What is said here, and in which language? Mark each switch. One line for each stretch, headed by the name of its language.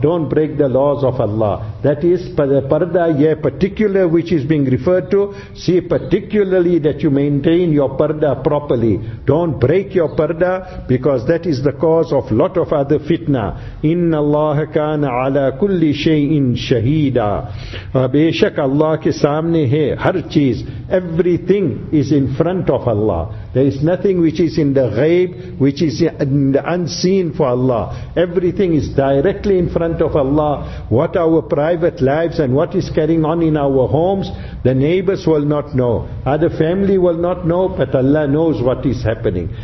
English: Don't break the laws of Allah. That is, parda, yeah, particular, which is being referred to, see particularly that you maintain your parda properly. Don't break your parda, because that is the cause of lot of other fitna.
Arabic: إِنَّ اللَّهَ كَانَ عَلَىٰ كُلِّ شَيْءٍ شَهِيدًا.
Urdu: بے شک اللہ کے سامنے ہے ہر چیز.
English: Everything is in front of Allah. There is nothing which is in the ghaib, which is in the unseen for Allah. Everything is directly in front of Allah. What our private lives and what is carrying on in our homes, the neighbors will not know. Other family will not know, but Allah knows what is happening.